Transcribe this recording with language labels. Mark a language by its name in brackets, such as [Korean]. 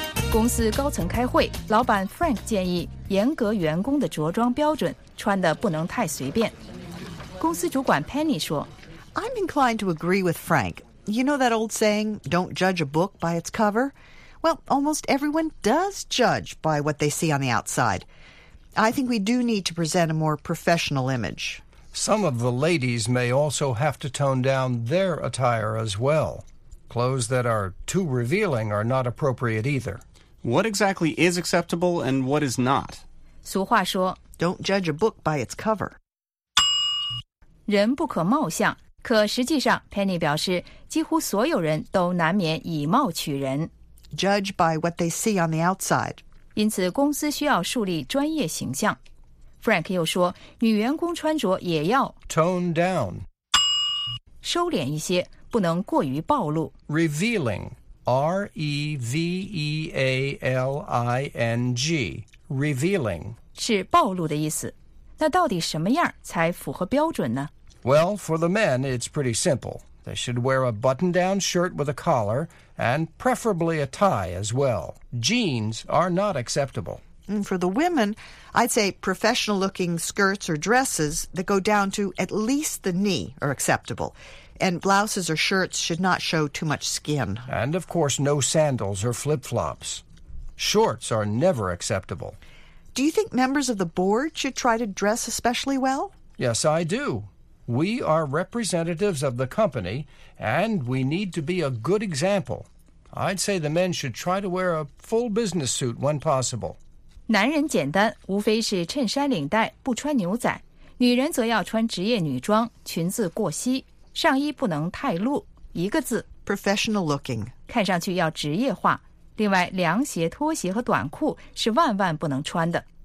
[Chinese] 公司高层开会，老板 Frank 建议严格员工的着装标准，穿得不能太随便。公司主管 Penny 说 [English] I'm inclined to agree with Frank. You know that old saying, don't judge a book by its cover? Well, almost everyone does judge by what they see on the outside. I think we do need to present a more professional image. Some of the ladies may also have to tone down their attire as well. Clothes that are too revealing are not appropriate either. What exactly is acceptable and what is not? [Chinese] 俗话说, [English] Don't judge a book by its cover. [Chinese] 人不可貌相,可实际上 Penny 表示几乎所有人都难免以貌取人。 [English] Judge by what they see on the outside. [Chinese] 因此公司需要树立专业形象。 Frank 又说，女员工穿着也要 [English] tone down， [Chinese] 收敛一些，不能过于暴露。 [English] Revealing， R E V E A L I N G， revealing [Chinese] 是暴露的意思。那到底什么样才符合标准呢 [English] ？Well, for the men, it's pretty simple. They should wear a button-down shirt with a collar, and preferably a tie as well. Jeans are not acceptable. For the women, I'd say professional-looking skirts or dresses that go down to at least the knee are acceptable. And blouses or shirts should not show too much skin. And, of course, no sandals or flip-flops. Shorts are never acceptable. Do you think members of the board should try to dress especially well? Yes, I do. We are representatives of the company, and we need to be a good example. I'd say the men should try to wear a full business suit when possible. [Chinese] 男人简单，无非是衬衫领带，不穿牛仔。女人则要穿职业女装，裙子过膝，上衣不能太露。一个字 [English] ，professional looking， [Chinese] 看上去要职业化。另外，凉鞋、拖鞋和短裤是万万不能穿的。